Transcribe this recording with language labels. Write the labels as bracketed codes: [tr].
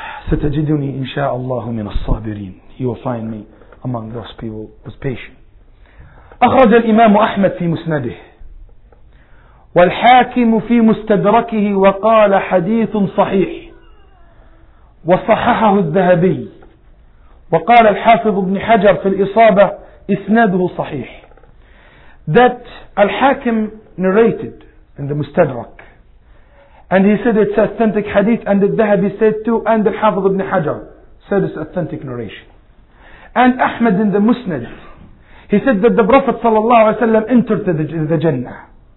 [ar] ستجدني إن شاء الله من الصابرين. [en] You will find me among those people who's patient. [ar] أخرج الإمام أحمد في مسنده والحاكم في مستدركه وقال حديث صحيح وصححه الذهبي وقال الحافظ ابن حجر في الإصابة إسناده صحيح. [en] That الحاكم narrated in the مستدرك. And he said it's authentic hadith, and al-Dhahabi said too, and al-Hafiz ibn Hajar said it's authentic narration. And Ahmad in the Musnad, he said that the Prophet sallallahu alayhi wa sallam entered the Jannah.